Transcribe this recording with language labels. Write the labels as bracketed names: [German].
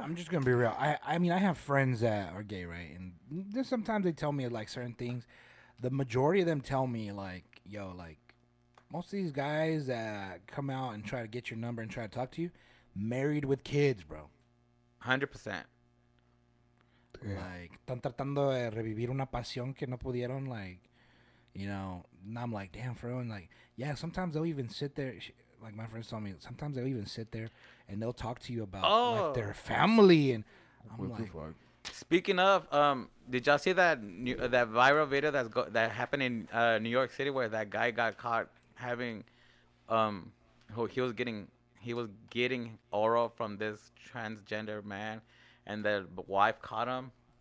[English] I'm just going to be real. I mean, I have friends that are gay, right? And there's sometimes they tell me like certain things. The majority of them tell me like, yo, like most of these guys that come out and try to get your number and try to talk to you, married with kids, bro. 100%. [Spanish] Like, están tratando de revivir una pasión que no pudieron, like, you know. [English] And I'm like, damn, for real. And like, yeah, sometimes they'll even sit there. Like, my friends told me, sometimes they'll even sit there and they'll talk to you about, oh, like, their family. And I'm like, speaking of, did y'all see that that viral video that happened in New York City where that guy got caught having, he was getting oral from this transgender man, and the wife caught him?